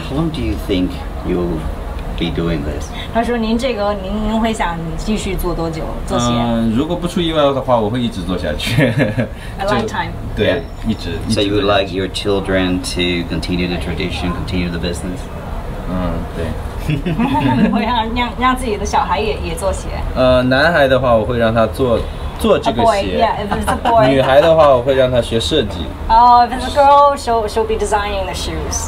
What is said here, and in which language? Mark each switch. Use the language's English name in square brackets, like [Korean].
[English] How long do you think you'll be doing this? [Chinese] 他说您这个您会想继续做多久做鞋？如果不出意外的话，我会一直做下去。 [English] A lifetime. [Chinese] 对， [English] yeah. [Chinese] 一直。 [English] So you would like your children to continue the tradition, continue the business? [Chinese] 对。我让自己的小孩也做鞋。男孩的话，我会让他做这个鞋。 [English] Yeah, if it's a boy. [Chinese] 女孩的话，我会让他学设计。 [English] If it's a girl, she'll be designing the shoes.